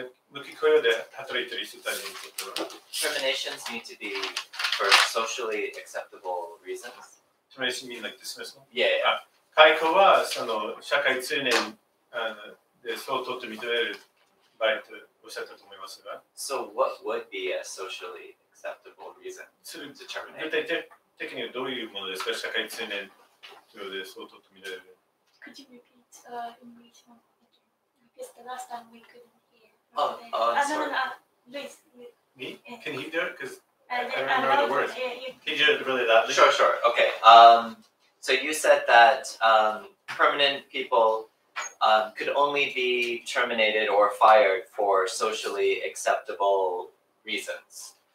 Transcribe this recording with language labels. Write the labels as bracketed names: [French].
[Japanese] 無期雇用で働いている人たちにとっては [English] Terminations need to be for socially acceptable reasons. Termination mean like dismissal? Yeah, yeah. [Japanese] 解雇はその社会通念で相当と認める場合とおっしゃったと思いますが [English] So what would be a socially acceptable reason to terminate? [Japanese] 具体的にはどういうものですか社会通念というので相当と認める [English] Could you repeat English because the last time we couldn't Oh, sorry. No, Luis. Me? Can he do it? Because I don't remember the words. Can you do it really loudly? Sure, sure. Okay. So you said that permanent people could only be terminated or fired for socially acceptable reasons.